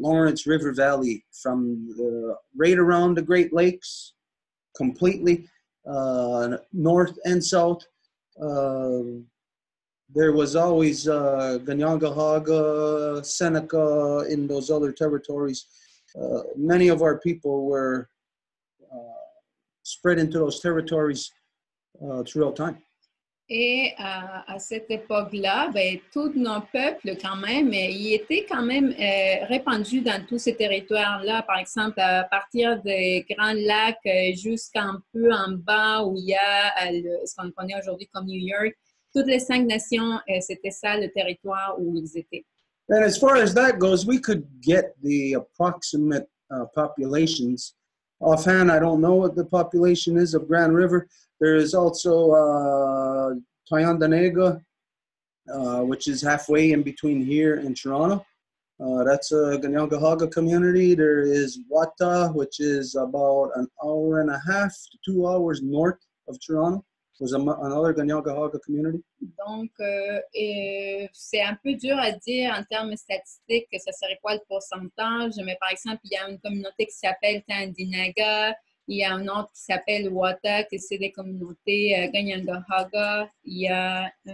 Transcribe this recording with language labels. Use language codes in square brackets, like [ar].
[en] Lawrence River Valley, from right around the Great Lakes, completely north and south, there was always Ganyangahaga, Seneca, in those other territories. Many of our people were spread into those territories throughout time. [fr] Et à cette époque-là, ben, tous nos peuples, quand même, ils étaient quand même répandus dans tous ces territoires-là. Par exemple, à partir des Grands Lacs jusqu'un peu en bas où il y a ce qu'on connaît aujourd'hui comme New York, toutes les cinq nations, c'était ça le territoire où ils étaient. [en] And as far as that goes, we could get the approximate populations. Offhand, I don't know what the population is of Grand River. There is also Tayandanega, which is halfway in between here and Toronto. That's a Ganyangahaga community. There is Wata, which is about an hour and a half to 2 hours north of Toronto. Was another Ganyangahaga community. [fr] Donc, c'est un peu dur à dire en termes statistiques que ça serait quoi le pourcentage, mais par exemple, il y a une communauté qui s'appelle Tandinaga, il y a une autre qui s'appelle Wata, qui c'est des communautés Ganyangahaga, il y a...